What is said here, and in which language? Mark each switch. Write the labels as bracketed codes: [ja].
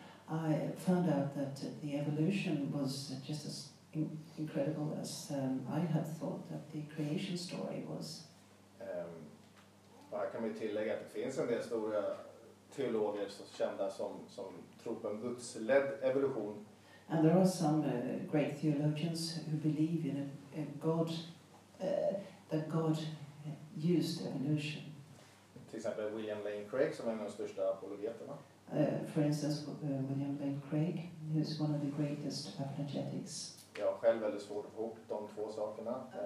[en] I found out that the evolution was just as incredible as I had thought that the creation story was. [sv] Här kan vi tillägga att det finns en del stora teologer som kända som tror på en gudsledd evolution. [en] And there are some great theologians who believe in a God that God used evolution. [sv] Till exempel William Lane Craig som är en av de största apologeterna. [en] For instance, William Lane Craig is one of the greatest apologetics. [sv] Jag har själv väldigt svårt att få ihop de två sakerna.